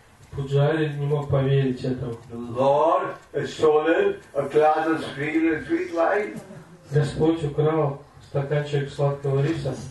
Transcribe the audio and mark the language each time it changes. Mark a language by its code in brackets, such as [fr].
[ru] Пуджари не мог поверить этому. [en] The Lord has stolen a glass of sweet rice. [ru] Господь украл стаканчик сладкого риса.